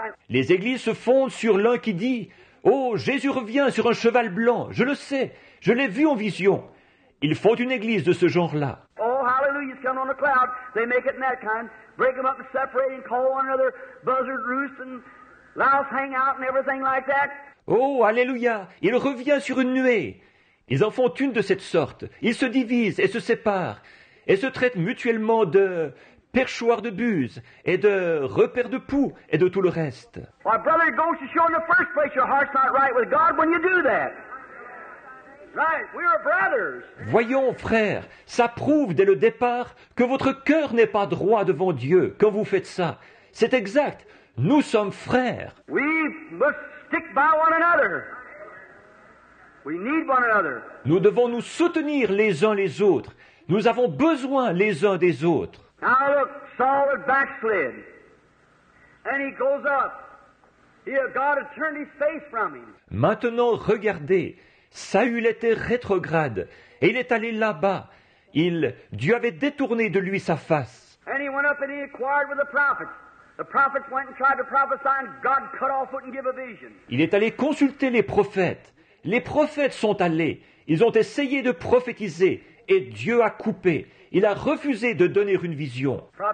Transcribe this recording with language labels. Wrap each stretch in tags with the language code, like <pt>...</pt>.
<fr>Les églises se fondent sur l'un qui dit, « Oh, Jésus revient sur un cheval blanc, je le sais, je l'ai vu en vision. » Ils font une église de ce genre-là.</fr> <en>Oh, hallelujah, come on a cloud, they make it in that kind. Break them up and separate and call one another buzzard roost and louse hang out and everything like that.</en> <fr>Oh, alléluia! Il revient sur une nuée. Ils en font une de cette sorte. Ils se divisent et se séparent et se traitent mutuellement de perchoir de buse et de repère de poux et de tout le reste.</fr> <en>Why, brother, it goes to show in the first place your heart's not right with God when you do that. Right, we are brothers.</en> <fr>Voyons, frère, ça prouve dès le départ que votre cœur n'est pas droit devant Dieu quand vous faites ça. C'est exact. Nous sommes frères.</fr> <en>We must stick by one another. We need one another.</en> <fr>Nous devons nous soutenir les uns les autres. Nous avons besoin les uns des autres.</fr> <en>Now look, Saul had backslid. And he goes up. He had God had turned his face from him.</en> <fr>Maintenant, regardez. Saül était rétrograde et il est allé là-bas. Dieu avait détourné de lui sa face.</fr> <en>And he went up and he inquired with the prophets. The prophets went and tried to prophesy and God cut off and gave a vision.</en> <fr>Il est allé consulter les prophètes. Les prophètes sont allés. Ils ont essayé de prophétiser et Dieu a coupé. Il a refusé de donner une vision.</fr>